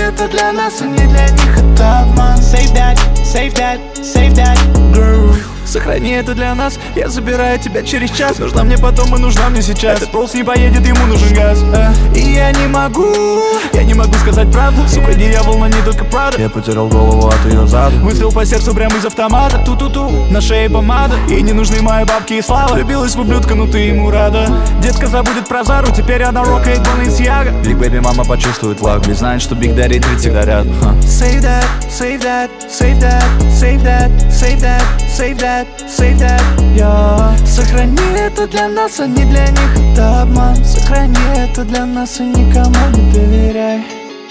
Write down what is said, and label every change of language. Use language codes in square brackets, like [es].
[ru] Для нас и не для них, это обман. [en] Save that, save that, save that, girl. [ru] Сохрани это для нас, я забираю тебя через час. Нужна мне потом и нужна мне сейчас. Этот толст не поедет, ему нужен газ. И я не могу сказать правду. Сука, не я волна, не только Прада. Я потерял голову от ее зада. Выстрел по сердцу прямо из автомата. Ту-ту-ту, на шее помада. Ей не нужны мои бабки и слава. Влюбилась в ублюдка, но ты ему рада. Детка забудет про Зару, теперь она рокает Balenciaga. Биг бэби мама почувствует влагу. Ведь знает, что Биг Дэдди тридцать всегда рядом. [en] Save that, save that, save that, save that, save that, save that, save that. Save that, yeah. [ru] Сохрани это для нас, а не для них, это обман. Сохрани это для нас и никому не доверяй.